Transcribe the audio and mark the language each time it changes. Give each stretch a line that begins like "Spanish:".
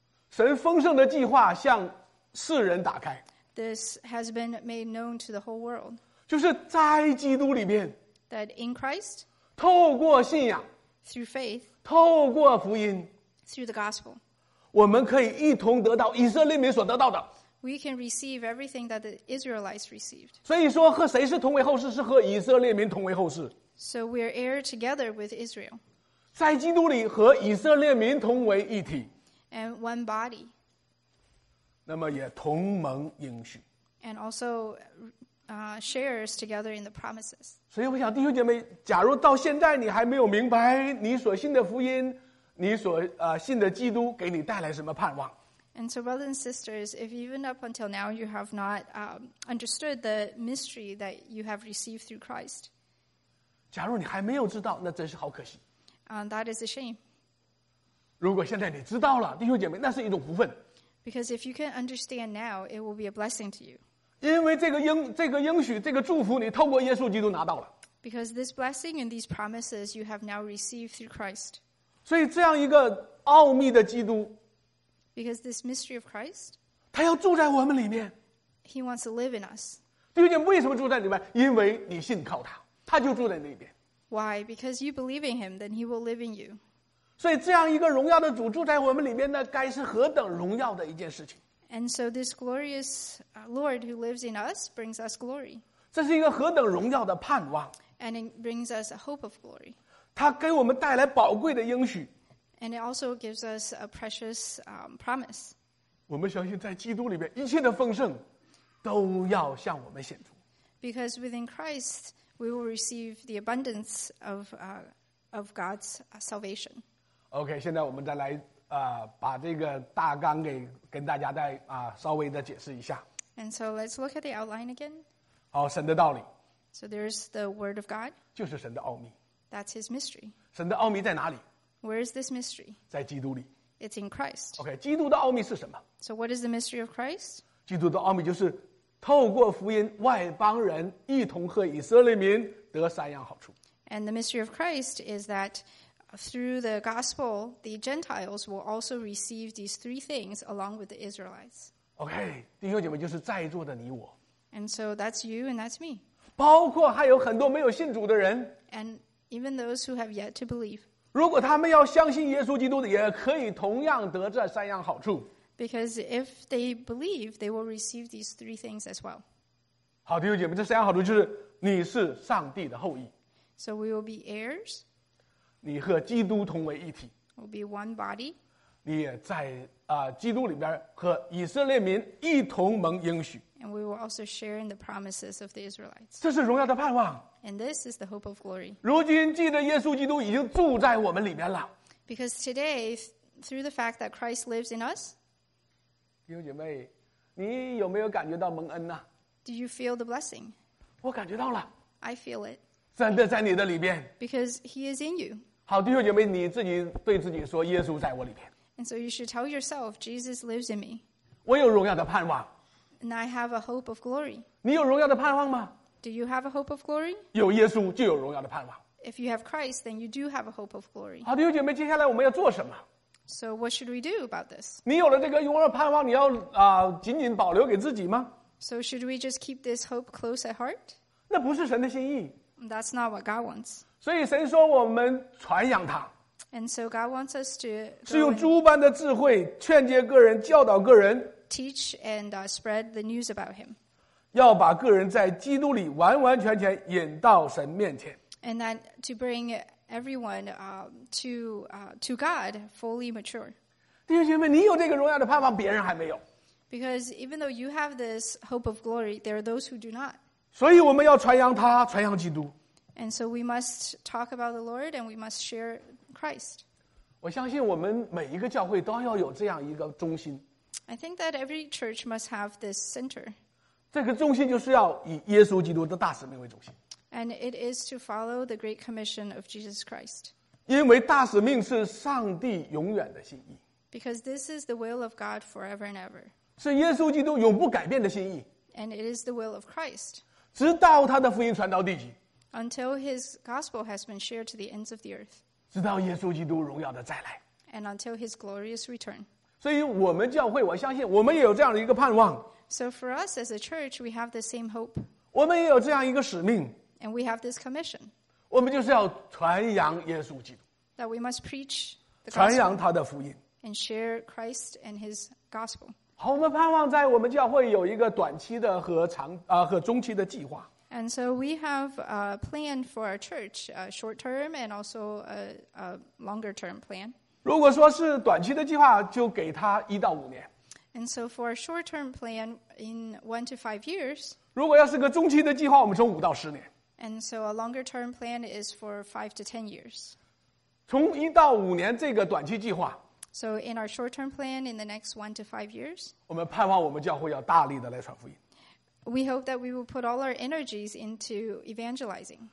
Chinese: 神丰盛的计划向世人打开。
English: This has been made known to the whole world.
Chinese: 就是在基督里面。
English: That in Christ.
Chinese: 透过信仰。
English: Through faith.
Chinese: 透过福音。
English: Through the gospel.
Chinese: 我们可以一同得到以色列民所得到的。
English: We can receive everything that the Israelites received.
Chinese: 所以说和谁是同为后世，是和以色列民同为后世。
English: So we are heir together with Israel.
Chinese: 在基督里和以色列民同为一体。
English: And one body.
Chinese: 那么也同盟应许。
English: And also shares together in the promises.
Chinese: 所以我想弟兄姐妹，假如到现在你还没有明白你所信的福音，你所信的基督给你带来什么盼望。
English: And so brothers and sisters, if even up until now you have not understood the mystery that you have received through Christ.
Chinese: 假如你还没有知道，那真是好可惜。
English: That is a shame.
Chinese: 如果现在你知道了，弟兄姐妹，那是一种福分。
English: Because if you can understand now, it will be a blessing to you.
Chinese: 因为这个应许，这个祝福你透过耶稣基督拿到了。
English: Because this blessing and these promises you have now received through Christ.
Chinese: 所以这样一个奥秘的基督。
English: Because this mystery of Christ.
Chinese: 他要住在我们里面。
English: He wants to live in us.
Chinese: 弟兄姐妹，为什么住在里面？因为你信靠他，他就住在那边。
English: Why? Because you believe in him, then he will live in you.
Chinese: 所以这样一个荣耀的主住在我们里面呢，该是何等荣耀的一件事情。
English: And so this glorious Lord who lives in us brings us glory.
Chinese: 这是一个何等荣耀的盼望。
English: And it brings us a hope of glory.
Chinese: 他给我们带来宝贵的应许。
English: And it also gives us a precious promise.
Chinese: 我们相信在基督里面一切的丰盛都要向我们显出。
English: Because within Christ, we will receive the abundance of God's salvation.
Chinese: OK, 现在我们再来把这个大纲给跟大家再稍微的解释一下。
English: And so let's look at the outline again.
Chinese: 好，神的道理。
English: So there's the word of God.
Chinese: 就是神的奥秘。
English: That's his mystery.
Chinese: 神的奥秘在哪里？
English: Where is this mystery?
Chinese: 在基督里。
English: It's in Christ.
Chinese: OK, 基督的奥秘是什么？
English: So what is the mystery of Christ?
Chinese: 基督的奥秘就是透过福音，外邦人一同和以色列民得三样好处。
English: And the mystery of Christ is that through the gospel, the Gentiles will also receive these three things along with the Israelites.
Chinese: OK, 弟兄姐妹，就是在座的你我。
English: And so that's you and that's me.
Chinese: 包括还有很多没有信主的人。
English: And even those who have yet to believe.
Chinese: 如果他们要相信耶稣基督的，也可以同样得这三样好处。
English: Because if they believe, they will receive these three things as well.
Chinese: 好，弟兄姐妹，这三样好处就是你是上帝的后裔。
English: So we will be heirs.
Chinese: 你和基督同为一体。
English: We'll be one body.
Chinese: 你也在基督里边和以色列民一同蒙应许。
English: And we will also share in the promises of the Israelites.
Chinese: 这是荣耀的盼望。
English: And this is the hope of glory.
Chinese: 如今借着耶稣基督已经住在我们里面了。
English: Because today, through the fact that Christ lives in us,
Chinese: 弟兄姐妹，你有没有感觉到蒙恩呢？
English: Do you feel the blessing?
Chinese: 我感觉到了。
English: I feel it.
Chinese: 真的在你的里边。
English: Because he is in you.
Chinese: 好，弟兄姐妹，你自己对自己说，耶稣在我里边。
English: And so you should tell yourself, Jesus lives in me.
Chinese: 我有荣耀的盼望。
English: And I have a hope of glory.
Chinese: 你有荣耀的盼望吗？
English: Do you have a hope of glory?
Chinese: 有耶稣就有荣耀的盼望。
English: If you have Christ, then you do have a hope of glory.
Chinese: 好，弟兄姐妹，接下来我们要做什么？
English: So what should we do about this?
Chinese: 你有了这个永远盼望，你要紧紧保留给自己吗？
English: So should we just keep this hope close at heart?
Chinese: 那不是神的心意。
English: That's not what God wants.
Chinese: 所以神说我们传扬他。
English: And so God wants us to
Chinese: 是用猪般的智慧劝诫个人教导个人
English: teach and spread the news about him.
Chinese: 要把个人在基督里完完全全引到神面前。
English: And then to bring everyone to God fully mature.
Chinese: 弟兄姐妹，你有这个荣耀的盼望，别人还没有。
English: Because even though you have this hope of glory, there are those who do not.
Chinese: 所以我们要传扬他，传扬基督。
English: And so we must talk about the Lord and we must share Christ.
Chinese: 我相信我们每一个教会都要有这样一个中心。
English: I think that every church must have this center.
Chinese: 这个中心就是要以耶稣基督的大使命为中心。
English: And it is to follow the great commission of Jesus Christ.
Chinese: 因为大使命是上帝永远的心意。
English: Because this is the will of God forever and ever.
Chinese: 是耶稣基督永不改变的心意。
English: And it is the will of Christ.
Chinese: 直到他的福音传到地极。
English: Until his gospel has been shared to the ends of the earth.
Chinese: 直到耶稣基督荣耀的再来。
English: And until his glorious return.
Chinese: 所以我们教会，我相信我们也有这样的一个盼望。
English: So for us as a church, we have the same hope.
Chinese: 我们也有这样一个使命。
English: And we have this commission.
Chinese: 我们就是要传扬耶稣基督。
English: That we must preach the gospel.
Chinese: 传扬他的福音。
English: And share Christ and his gospel.
Chinese: 好，我们盼望在我们教会有一个短期的和长和中期的计划。
English: And so we have a plan for our church, a short term and also a longer term plan.
Chinese: 如果说是短期的计划，就给他一到五年。
English: And so for a short term plan in 1 to 5 years.
Chinese: 如果要是个中期的计划，我们从5到10年。
English: And so a longer term plan is for 5 to 10 years.
Chinese: 从一到五年这个短期计划。
English: So in our short term plan in the next 1 to 5 years.
Chinese: 我们盼望我们教会要大力的来传福音。
English: We hope that we will put all our energies into evangelizing.